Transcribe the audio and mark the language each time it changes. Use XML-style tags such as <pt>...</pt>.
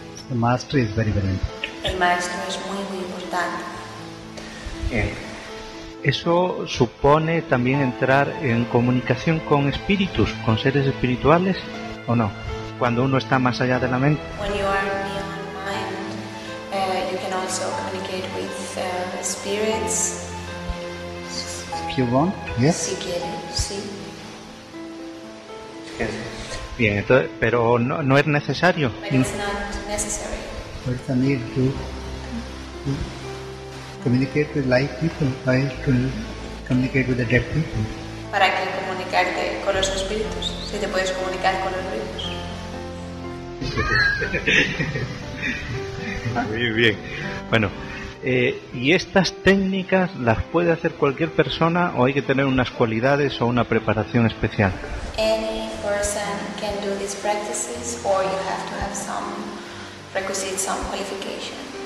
<en>The master is very, very important.</en> <es>El maestro es muy, muy importante. Eso supone también entrar en comunicación con espíritus, con seres espirituales, ¿o no? Cuando uno está más allá de la mente.</es> <en>When you are beyond mind, you can also communicate with spirits. If you want, yes.</en> <es>Si quieres, sí. Bien, entonces, pero no es necesario.</es> <en>But it's not necessary. What is the need to communicate with live people? Why to communicate with the dead people?</en> <es>Para que comunicarte con los espíritus, si te puedes comunicar con los vivos. Muy bien. Bueno, ¿y estas técnicas las puede hacer cualquier persona o hay que tener unas cualidades o una preparación especial?</es> <en>Any person can do this practices, or you have to have some requisite, some qualification.</en>